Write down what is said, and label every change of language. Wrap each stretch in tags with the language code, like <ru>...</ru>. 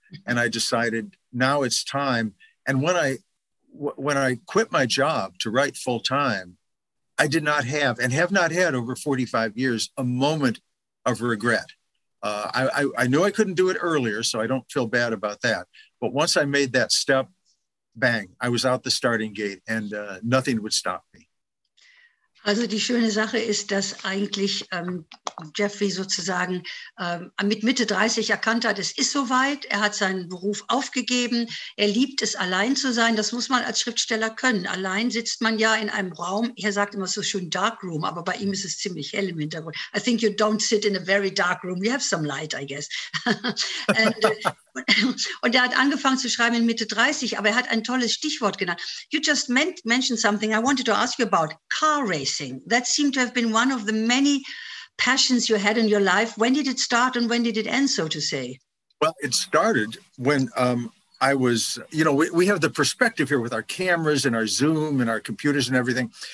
<en>And I decided now it's time. And when I quit my job to write full time, I did not have, and have not had over 45 years, a moment of regret. I knew I couldn't do it earlier, so I don't feel bad about that. But once I made that step, bang, I was out the starting gate and nothing would stop me.</en> <de>Also die schöne Sache ist, dass eigentlich Jeffery sozusagen mit Mitte 30 erkannt hat, es ist soweit, er hat seinen Beruf aufgegeben, er liebt es, allein zu sein, das muss man als Schriftsteller können. Allein sitzt man ja in einem Raum, er sagt immer so schön Dark Room, aber bei ihm ist es ziemlich hell im Hintergrund.</de> <en>I think you don't sit in a very dark room, you have some light, I guess.</en> <de>Und er hat angefangen zu schreiben in Mitte 30, aber er hat ein tolles Stichwort genannt.</de> <en>You just mentioned something I wanted to ask you about, car racing. That seemed to have been one of the many passions you had in your life. When did it start and when did it end, so to say? Well, it started when I was, you know, we have the perspective here with our cameras and our Zoom and our computers and everything.</en>